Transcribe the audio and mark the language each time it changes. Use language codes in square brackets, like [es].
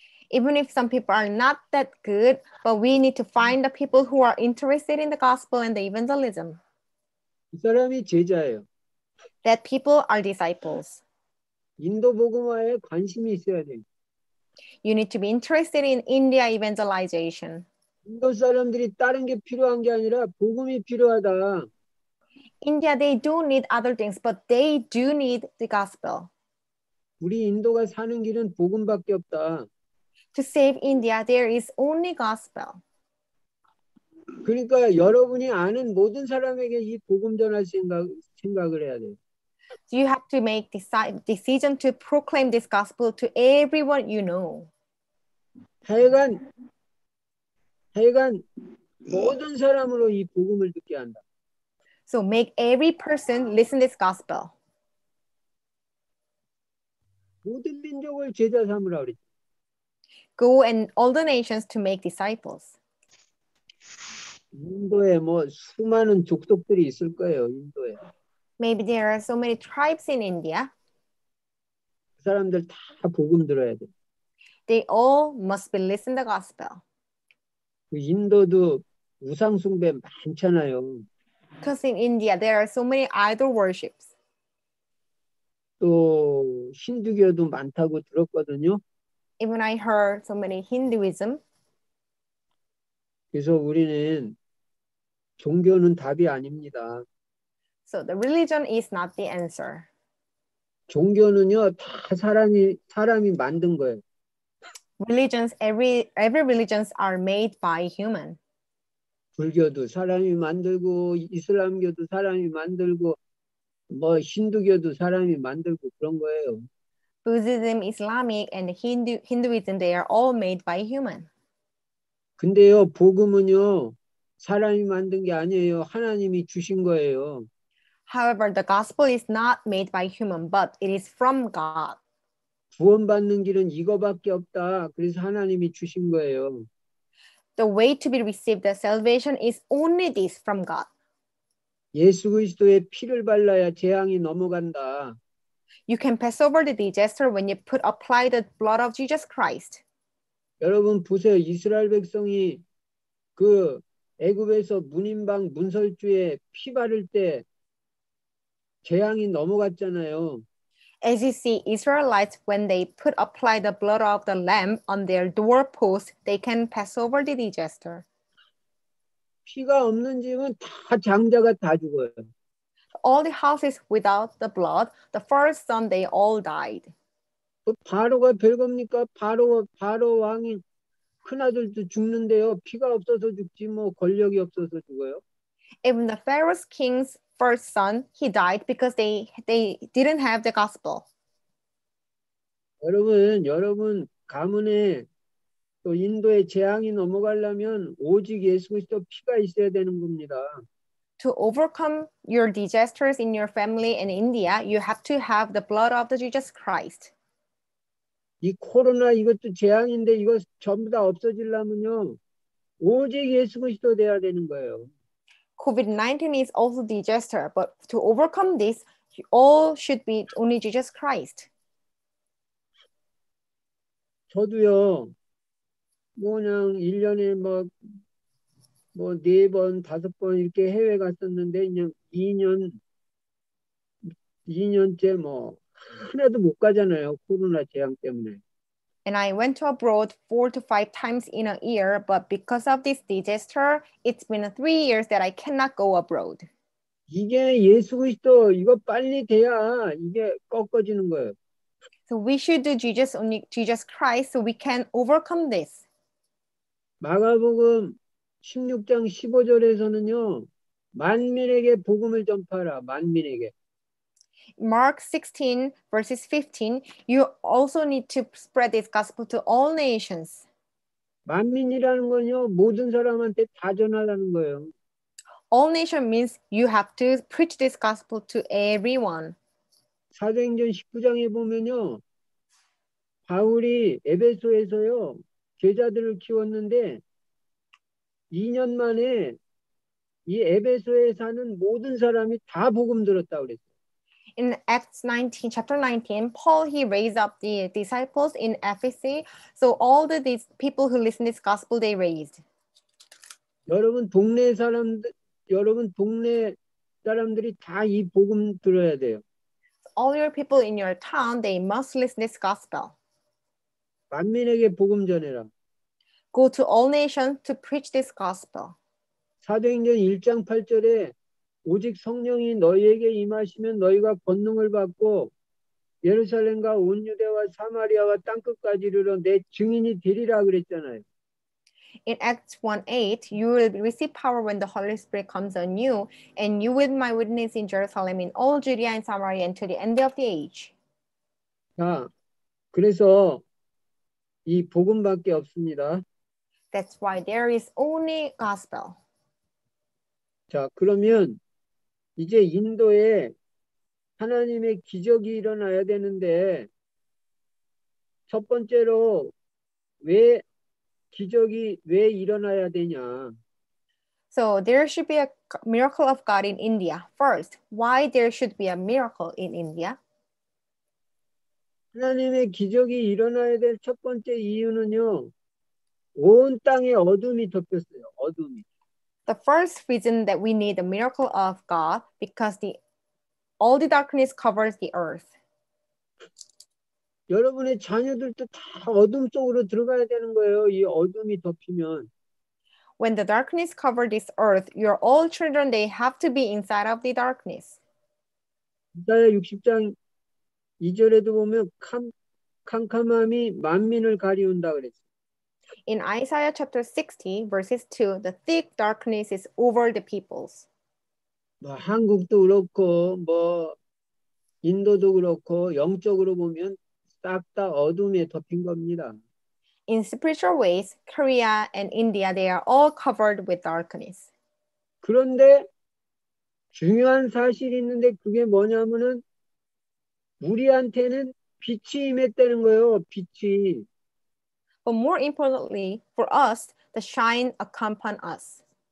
[en] Even if some people are not that good, but we need to find the people who are interested in the gospel and the evangelism. [ko] 이 사람이 제자예요. [en] That people are disciples. [ko] 인도 복음화에 관심이 있어야 돼요. [en] You need to be interested in India evangelization. [ko] 인도 사람들이 다른 게 필요한 게 아니라 복음이 필요하다. [en] India, they don't need other things, but they do need the gospel. [ko] 우리 인도가 사는 길은 복음밖에 없다. [en] To save India, there is only gospel. [ko] 그러니까 여러분이 아는 모든 사람에게 이 복음 전할 생각을 해야 돼요. [en] You have to make decision to proclaim this gospel to everyone you know. [ko] 하여간 모든 사람으로 이 복음을 듣게 한다. [en] So make every person listen this gospel. [ko] 모든 민족을 제자 삼으라 그랬죠. [en] Go and all the nations to make disciples. [ko] 인도에 뭐 수많은 족속들이 있을 거예요, 인도에. [en] Maybe there are so many tribes in India. [ko] 그 사람들 다 복음 들어야 돼. [en] They all must be listen the gospel. [ko] 그 인도도 우상 숭배 많잖아요. [en] Because in India there are so many idol worships. [ko] 또 힌두교도 많다고 들었거든요. [en] Even I heard so many Hinduism. [ko] 그래서 우리는 종교는 답이 아닙니다. [en] So the religion is not the answer. [ko] 종교는요, 다 사람이 만든 거예요. [en] Every religions are made by human. [ko] 불교도 사람이 만들고, 이슬람교도 사람이 만들고, 뭐 힌두교도 사람이 만들고 그런 거예요. [en] Buddhism, Islamic, and Hinduism, they are all made by human. [ko] 근데요, 복음은요, 사람이 만든 게 아니에요. 하나님이 주신 거예요. [en] However, the gospel is not made by human, but it is from God. [ko] 구원받는 길은 이거밖에 없다. 그래서 하나님이 주신 거예요. [en] The way to be received the salvation is only this from God. [ko] 예수 그리스도의 피를 발라야 재앙이 넘어간다. [en] You can pass over the disaster when you apply the blood of Jesus Christ. [ko] 여러분 보세요. 이스라엘 백성이 그 애굽에서 무림방 문설주에 피 바를 때 재앙이 넘어갔잖아요. [en] As you see, Israelites, when they put apply the blood of the lamb on their doorpost, they can pass over the disaster. [ko] 피가 없는 집은 다 장자가 다 죽어요. [en] All the houses without the blood, the first son, they all died. [ko] 바로가 별 겁니까? 바로 왕이 큰아들도 죽는데요. 피가 없어서 죽지 뭐 권력이 없어서 죽어요. [en] Even the Pharaoh's king's first son, he died because they didn't have the gospel. [ko] 여러분, 가문에 또 인도에 재앙이 넘어가려면 오직 예수 그리스도 피가 있어야 되는 겁니다. [en] To overcome your disasters in your family in India, you have to have the blood of the Jesus Christ. [ko] 이 코로나 이것도 재앙인데 이거 전부 다 없어지려면요. 오직 예수 그리스도 돼야 되는 거예요. [en] COVID-19 is also disaster, but to overcome this, all should be only Jesus Christ. [ko] 저도요. 뭐 그냥 1년에 막뭐네 번, 다섯 번 이렇게 해외 갔었는데 그냥 2년째 뭐 하나도 못 가잖아요. 코로나 재앙 때문에. [en] And I went to abroad 4 to 5 times in a year, but because of this disaster, it's been 3 years that I cannot go abroad. [ko] 이게 예수 그리스도 이거 빨리 돼야 이게 꺾어지는 거예요. [en] So we should do Jesus Christ so we can overcome this. [ko] 마가복음 16장 15절에서는요, 만민에게 복음을 전파하라, 만민에게. [en] Mark 16, verses 15, you also need to spread this gospel to all nations. [ko] 만민이라는 건요, 모든 사람한테 다 전하라는 거예요. [en] All nation means you have to preach this gospel to everyone. [ko] 사도행전 19장에 보면요, 바울이 에베소에서요, 제자들을 키웠는데, 2년 만에 이 에베소에 사는 모든 사람이 다 복음 들었다 그랬어요. [en] In Acts 19, chapter 19, Paul he raised up the disciples in Ephesus. So all the these people who listen this gospel they raised. [ko] 여러분 동네 사람들이 다이 복음 들어야 돼요. [en] All your people in your town they must listen this gospel. [ko] 만민에게 복음 전해라. [en] Go to all nations to preach this gospel. [ko] 사도행전 1장 8절에 오직 성령이 너희에게 임하시면 너희가 권능을 받고 예루살렘과 온 유대와 사마리아와 땅끝까지 이르러 내 증인이 되리라 그랬잖아요. [en] In Acts 1:8, you will receive power when the Holy Spirit comes on you, and you will be my witness in Jerusalem, in all Judea and Samaria, and to the end of the age. [ko] 자, 그래서 이 복음밖에 없습니다. [en] That's why there is only gospel. [ko] 자, 그러면 이제 인도에 하나님의 기적이 일어나야 되는데, 첫 번째로 왜 기적이 왜 일어나야 되냐? [en] So there should be a miracle of God in India. First, why there should be a miracle in India? [ko] 하나님의 기적이 일어나야 될첫 번째 이유는요, 온 땅에 어둠이 덮였어요, 어둠이. [en] The first reason that we need a miracle of God because all the darkness covers the earth. [ko] 여러분의 자녀들도 다 어둠 속으로 들어가야 되는 거예요. 이 어둠이 덮이면. [en] When the darkness covered this earth, your all children, they have to be inside of the darkness. [ko] 이사야 60장 2절에도 보면 캄캄함이 만민을 가리운다 그랬어요. [en] In Isaiah chapter 60, verses 2, the thick darkness is over the peoples. [ko] 뭐 한국도 그렇고 뭐 인도도 그렇고 영적으로 보면 싹다 어둠에 덮인 겁니다. [en] In spiritual ways, Korea and India, they are all covered with darkness. [ko] 그런데 중요한 사실이 있는데 그게 뭐냐면은 우리한테는 빛이 임했다는 거예요, 빛이. [en] But more importantly, for us, the shine accompanied us.